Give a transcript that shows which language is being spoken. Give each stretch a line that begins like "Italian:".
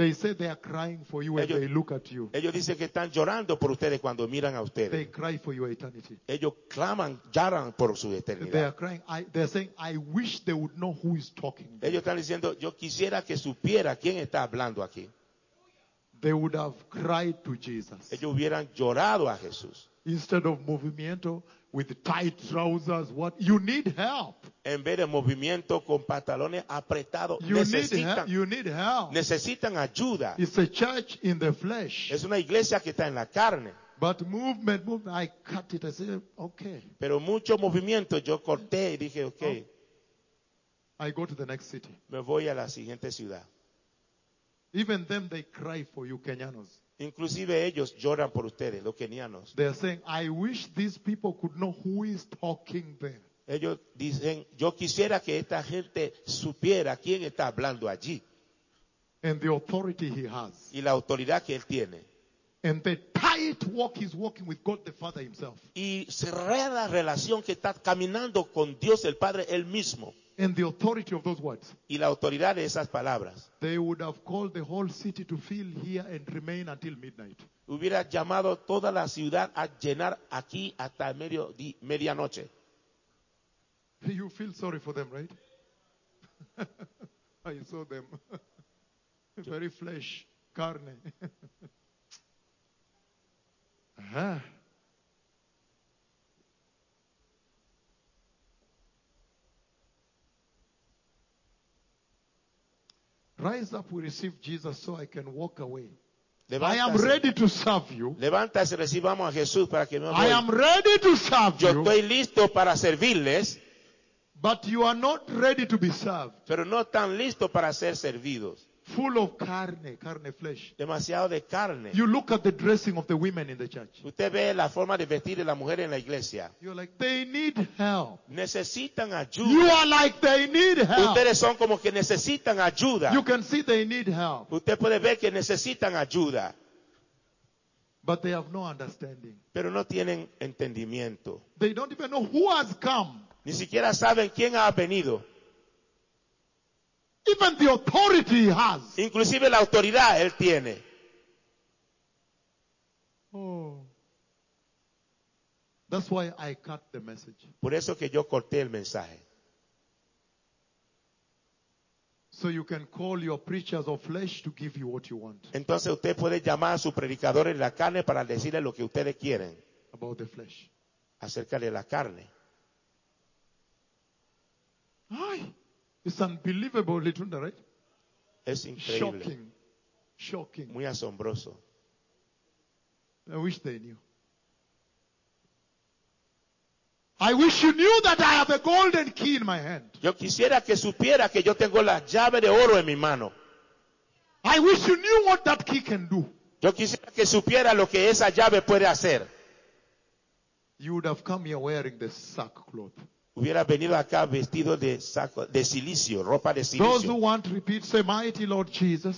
English: They say they are crying for you when they look at you.
Spanish: Ellos dicen que están llorando por ustedes cuando miran a ustedes.
English: They cry for your eternity.
Spanish: Ellos claman, lloran por su eternidad.
English: They are crying. They are saying, I wish they would know who is talking.
Spanish: Ellos están diciendo, yo quisiera que supiera quién está hablando aquí.
English: They would have cried to Jesus.
Spanish: Ellos hubieran llorado a Jesús.
English: Instead of movimiento with tight trousers, what you need help.
Spanish: En vez de movimiento con pantalones apretados, necesitan necesitan ayuda.
English: It's a church in the flesh.
Spanish: Es una iglesia que está en la carne.
English: But movement, I cut it. I said, okay.
Spanish: Pero mucho movimiento, yo corté y dije, okay.
English: I go to the next city.
Spanish: Me voy a la siguiente ciudad.
English: Even them, they cry for you, Kenyanos.
Spanish: Inclusive ellos lloran por ustedes, los kenianos.
English: They are saying, I wish these people could know who is talking there.
Spanish: Ellos dicen, yo quisiera que esta gente supiera quién está hablando allí.
English: And the authority he has.
Spanish: Y la autoridad que él tiene.
English: And the tight walk he's walking with God the Father himself.
Spanish: Y cerrada relación que está caminando con Dios el Padre él mismo.
English: And the authority of those words.
Spanish: Y la autoridad de esas palabras.
English: They would have called the whole city to fill here and remain until midnight.
Spanish: Hubiera llamado toda la ciudad a llenar aquí hasta medianoche.
English: You feel sorry for them, right? I saw them. Very flesh, carne. Uh-huh. Rise up, we receive Jesus so I can walk away.
Spanish: Levántase.
English: I am ready to serve you.
Spanish: Levántase, recibamos a Jesús para que me
English: voy. I am ready to serve
Spanish: you. Yo estoy listo para servirles.
English: But you are not ready to be served.
Spanish: Pero no tan listo para ser servidos.
English: Full of carne, carne flesh.
Spanish: Demasiado de carne.
English: You look at the dressing of the women in the church.
Spanish: Usted ve la forma de vestir de la mujer en la iglesia.
English: You're like, they need help.
Spanish: Necesitan ayuda.
English: You are like, they need help.
Spanish: Ustedes son como que necesitan ayuda.
English: You can see they need help.
Spanish: Usted puede ver que necesitan ayuda.
English: But they have no understanding.
Spanish: Pero no tienen entendimiento.
English: They don't even know who has come.
Spanish: Ni siquiera saben quién ha venido.
English: Even the authority he has.
Spanish: Inclusive la autoridad él tiene. Oh.
English: That's why I cut the message.
Spanish: Por eso que yo corté el mensaje.
English: So you can call your preachers of flesh to give you what you want.
Spanish: Entonces usted puede llamar a su predicador en la carne para decirle lo que ustedes quieren.
English: About the flesh.
Spanish: Acerca de la carne.
English: Ay, it's unbelievable, little, right?
Spanish: Es increíble.
English: Shocking.
Spanish: Muy asombroso.
English: I wish they knew. I wish you knew that I have a golden key in my hand.
Spanish: Yo quisiera que supiera que yo tengo la llave de oro en mi mano.
English: I wish you knew what that key can do.
Spanish: Yo quisiera que supiera lo que esa llave puede hacer.
English: You would have come here wearing the sackcloth.
Spanish: Hubiera venido acá vestido de saco, de cilicio, ropa de cilicio.
English: Those who want to repeat, say, mighty Lord Jesus.